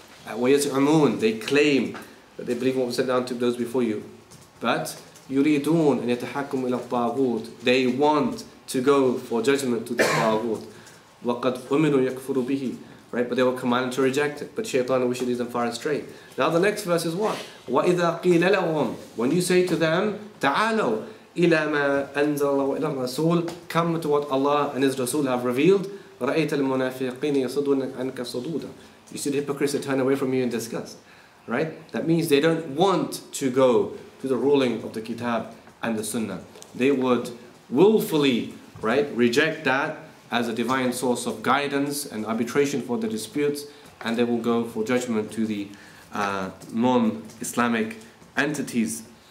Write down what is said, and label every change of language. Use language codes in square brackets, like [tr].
[ar] Wa yaz'umun, [en] they claim that they believe what was sent down to those before you. But [ar] yuridun an yatahakkamu ila al-taghut, [en] they want to go for judgment to the taghut. [ar] Wa qad umiru yakfuru bihi, [en] right? But they were commanded to reject it. But shaitan wished them far astray. Now the next verse is what? [ar] وَإِذَا قِيلَ لَهُمْ. [en] When you say to them, [ar] تَعَالَوْا إِلَى مَا أَنزَلَ اللَّهُ إِلَى الرَّسُولِ. [en] Come to what Allah and His Rasul have revealed. [ar] رَأَيْتَ الْمُنَافِقِينَ يَصُدُونَ عَنْكَ صُدُودًا. [en] You see the hypocrites that turn away from you in disgust. Right? That means they don't want to go to the ruling of the Kitab and the Sunnah. They would willfully, right, reject that as a divine source of guidance and arbitration for the disputes, and they will go for judgment to the non-Islamic entities.